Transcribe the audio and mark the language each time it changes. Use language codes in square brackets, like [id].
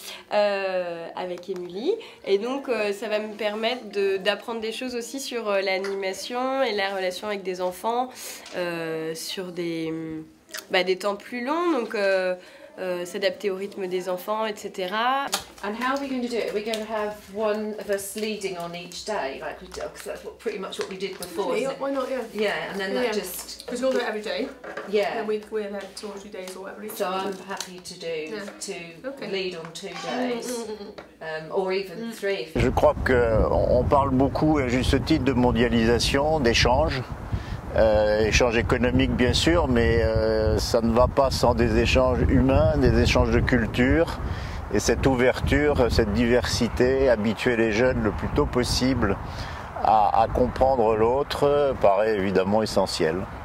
[fr] Avec Émilie, et donc ça va me permettre d'apprendre des choses aussi sur l'animation et la relation avec des enfants sur des temps plus longs, donc s'adapter au rythme des enfants, etc. [en] And how are we going to do it? Are we going to have one of us leading on each day, like we do, because that's what, pretty much what we did before. Yeah, why not? Yeah. Yeah, and then that just because we'll do it every day. Yeah. And we're there 2 or 3 days or whatever. So I'm happy to do to lead on 2 days. Or even three. [fr] Je crois que on parle beaucoup à juste titre de mondialisation, d'échange. Échanges économiques bien sûr, mais ça ne va pas sans des échanges humains, des échanges de culture et cette ouverture, cette diversité, habituer les jeunes le plus tôt possible à comprendre l'autre paraît évidemment essentiel.